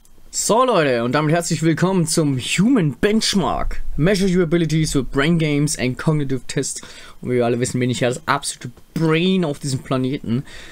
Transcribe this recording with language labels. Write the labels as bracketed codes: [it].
[de] So Leute, und damit herzlich willkommen zum Human Benchmark. [en] Measure your abilities with brain games and cognitive tests. [de] Und wie wir alle wissen, bin ich ja das absolute Brain auf diesem Planeten.